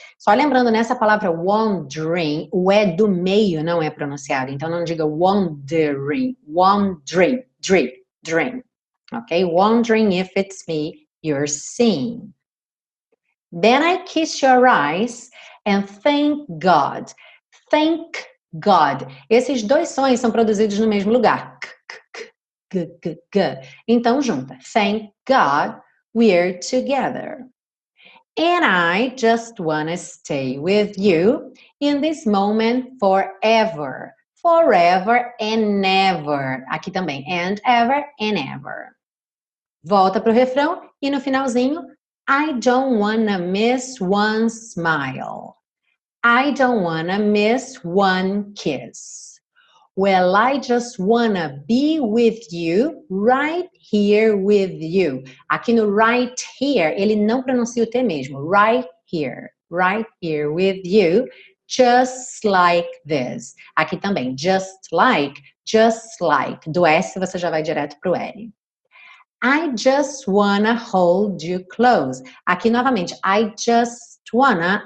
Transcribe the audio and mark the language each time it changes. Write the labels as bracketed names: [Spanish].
[Portuguese] Só lembrando nessa palavra wondering, o E do meio não é pronunciado, então não diga wondering, wondering, dream, dream, ok? [English] Wondering if it's me you're seeing. Then I kiss your eyes and thank God. Thank God. [Portuguese] Esses dois sons são produzidos no mesmo lugar. K, k, k, g, g, g. Então junta. [English] Thank God we're together. And I just wanna stay with you in this moment forever. Forever and ever. [Portuguese] Aqui também. [English] And ever and ever. [Portuguese] Volta pro refrão e no finalzinho, [English] I don't wanna miss one smile. I don't wanna miss one kiss. Well, I just wanna be with you, right here with you. [Portuguese] Aqui no [English] right here, [Portuguese] ele não pronuncia o T mesmo. [English] Right here with you, just like this. [Portuguese] Aqui também, [English] just like. [Portuguese] Do S você já vai direto pro L. [English] I just wanna hold you close. [Portuguese] Aqui novamente, [English] I just wanna.